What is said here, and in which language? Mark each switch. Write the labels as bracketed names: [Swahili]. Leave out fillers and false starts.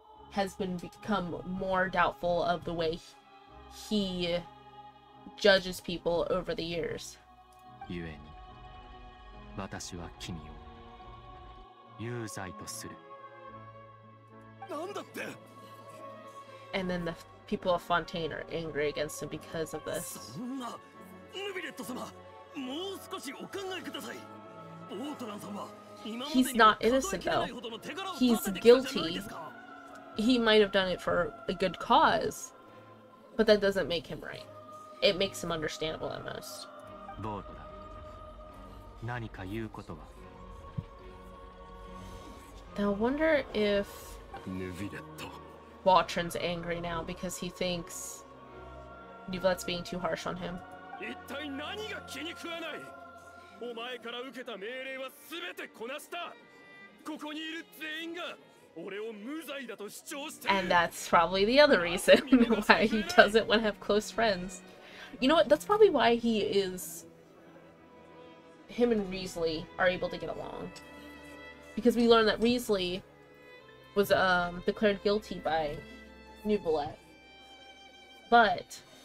[English] has been become more doubtful of the way he judges people over the years. [Japanese] ゆえに、私は君を有罪とする。なんだって。 [English] And then the people of Fontaine are angry against him because of this. [Japanese] そんな、ヌビレット様、もう少しお考えください。ボートラン様、 [English] He's not innocent though. He's guilty. He might have done it for a good cause, but that doesn't make him right. It makes him understandable at most. [Japanese] ボートラン、何か言うことは。 [English] Now I wonder if [Japanese] ヌビレット [English] Watron's angry now because he thinks Nuvlet's being too harsh on him. [Japanese] 一体何が気に食わない。お前から受けた命令は全てこなした。ここにいる全員が俺を無罪だと主張して。 [English] And that's probably the other reason why he doesn't want to have close friends. You know what? That's probably why he is... Him and Reasley are able to get along. Because we learned that Reasley was declared guilty by Nuvlet. But...